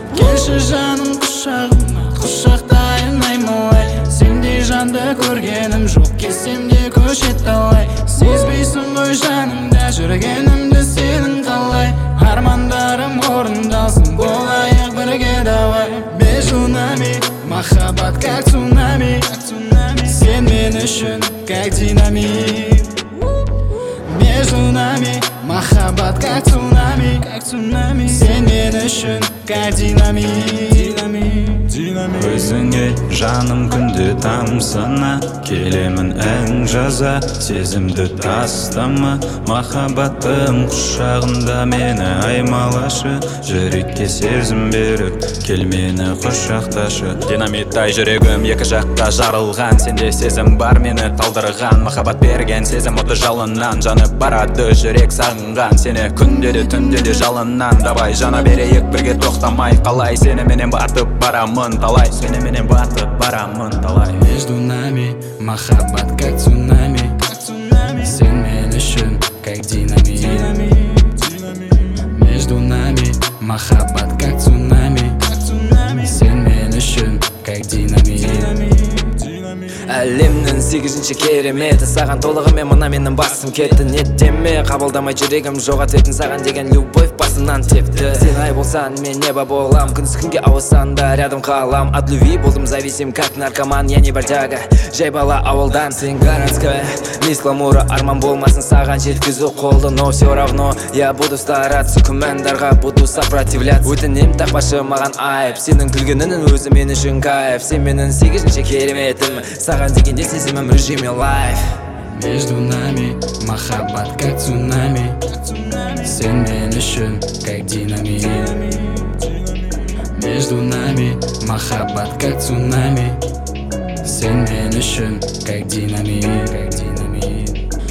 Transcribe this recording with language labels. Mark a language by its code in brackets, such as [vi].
[kk] Келші жаным құшағым, құшақтайын аймалай. Сендей жанды көргенім жоқ, кесемде көше талай. Сезбейсің ғой жанымда жүргенімді сенің қалай. Армандарым орындалсын, болайық бірге давай. [ru] Между нами махаббат как цунами. [kk] Сен мен үшін [ru] как динамит. Между нами махаббат как цунами. [kk] Сен мен үшін [ru] как динамит. [kk] Өзіңе жаным күнде тамсана. Келемін әң жаза, сезімді тастама. Махаббатым құшағында мені аймалашы. Жүрекке сезім беріп кел мені құшақташы. Динамиттай жүрегім екі жаққа жарылған. Сенде сезім бар мені талдырған. Махаббат берген сезім оты жалыннан. Жанып барады жүрек сағынған. Сені күнде де түнде де жалыннан. Давай жана берейік бірге тоқтамай. Қалай сені менен батып барамын. Талай сені менен батып барамын. Талай. [ru] Между нами махаббат как цунами. Сен мен үшін как динамит. Между нами махаббат как цунами. [kk] Сен мен үшін [ru] как динамит. [kk] Әлемнің сегізінші кереметі. Саған толығымен мына менің басым кетті. Неттеме қабылдамай жүрегім жоқ ответін. Саған деген любовь басымнан тепті. Сен ай болсаң мен небо болам. Күнсіз күнге ауысаң да рядом қалам. [ru] От любви болдым зависим как наркоман. Я не бордяга, [kk] жай бала ауылдан. [ru] Сен городская, мисс ламура. [kk] Арман болмасын саған жеткізу қолды. [ru] Но все равно я буду стараться. Күмәндарға буду сопротивляться. [kk] Өтінем тақпашы маған айып. Сенің күлгенінің өзі мен үшін кайф. Сен менің сегізінші кереметім. Саған дегенде сезімім режиме лайф. [ru] Между нами махаббат как цунами. Сен мен үшін как динамит. Между нами махаббат как цунами. [kk] Сен мен үшін [ru] как динамит.